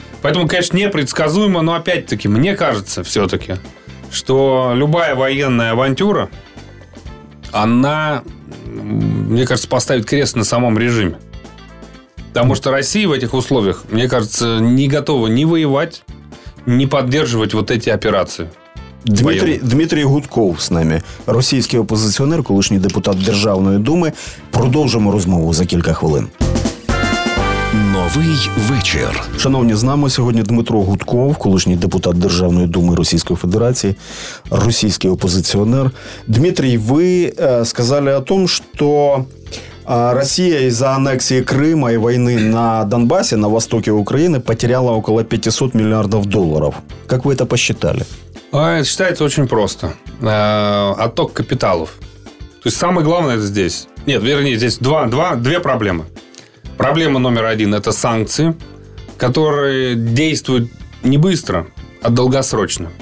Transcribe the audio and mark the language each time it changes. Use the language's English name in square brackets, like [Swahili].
[Russian] Поэтому, конечно, непредсказуемо, но опять-таки, мне кажется все-таки, что любая военная авантюра, она, мне кажется, поставит крест на самом режиме. Потому что Россия в этих условиях, мне кажется, не готова ни воевать, ни поддерживать вот эти операции. Дмитрий Гудков с нами. [Ukrainian] Російський опозиціонер, колишній депутат Державної Думи. Продовжимо розмову за кілька хвилин. Новий вечір. Шановні, з нами сьогодні Дмитро Гудков, колишній депутат Державної Думи Російської Федерації, російський опозиціонер. Дмитрий, ви сказали [Russian] о том, [Ukrainian] що Росія із-за анексії Криму і війни на Донбасі, на востокі України, [Russian] потеряла около [Ukrainian] 500 мільярдів доларів. Як ви це посчитали? [Russian] Считается очень просто. Отток капиталов. То есть самое главное здесь... Нет, вернее, здесь две проблемы. Проблема номер один – это санкции, которые действуют не быстро, а долгосрочно.